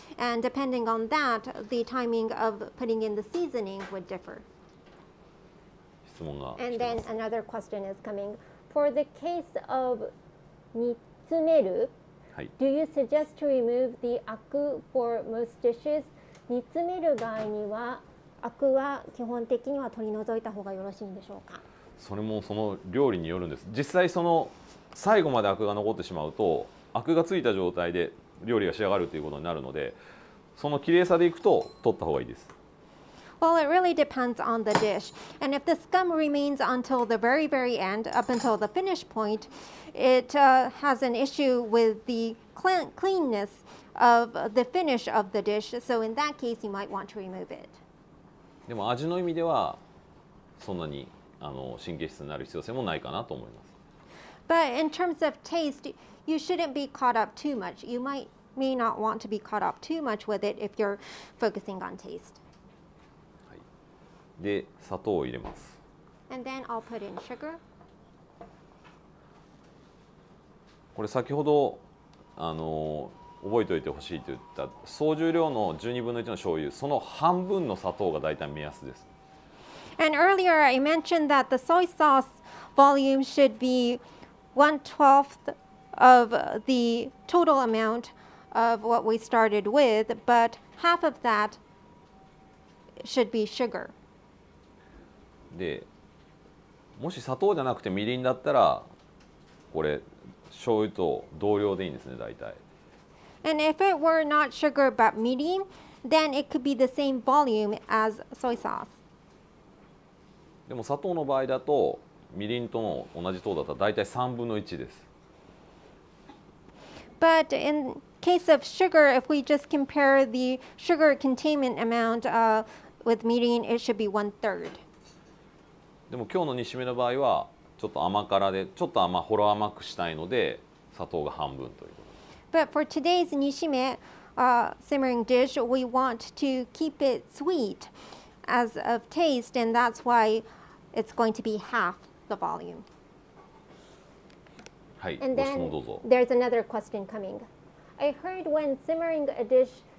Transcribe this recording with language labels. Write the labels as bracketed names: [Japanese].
[English] And depending on that, the timing of putting in the seasoning would differ. [Japanese] 質問が。 [English] And then another question is coming. For the case of 煮詰める。 Do you suggest to remove the aku for most dishes? [Japanese] 煮詰める場合にはアクは基本的には取り除いた方がよろしいんでしょうか。それもその料理によるんです。実際その最後までアクが残ってしまうとアクがついた状態で料理が仕上がるということになるので、その綺麗さでいくと取った方がいいです。 [English] Well, it really depends on the dish. And if the scum remains until the very, very end, up until the finish point, it has an issue with the cleanness of the finish of the dish. So in that case, you might want to remove it. [Japanese] でも味の意味ではそんなに神経質になる必要性もないかなと思います。 [English] But in terms of taste, you shouldn't be caught up too much. You might may not want to be caught up too much with it if you're focusing on taste. [Japanese] で砂糖を入れます。 [English] And then I'll put in sugar. [Japanese] これ先ほど覚えておいてほしいと言った総重量の12分の1の醤油、その半分の砂糖が大体目安です。 [English] And earlier I mentioned that the soy sauce volume should be 1/12 of the total amount of what we started with, but half of that should be sugar. [Japanese] でもし砂糖じゃなくてみりんだったらこれ醤油と同量でいいんですね大体。 [English] And if it were not sugar but みりん, then it could be the same volume as soy sauce. [Japanese] でも砂糖の場合だとみりんとの同じ糖だったら大体3分の1です。 [English] But in case of sugar, if we just compare the sugar containment amount with みりん, it should be 1/3. [Japanese] でも今日の煮しめの場合はちょっと甘辛でちょっと甘ほろ甘くしたいので砂糖が半分ということ。 [English] But for today's 煮しめ simmering dish, we want to keep it sweet as of taste, and that's why it's going to be half the volume. [Japanese] はい。 [English] And then [Japanese] ご質問どうぞ。 [English] There's another question coming. I heard when simmering a dish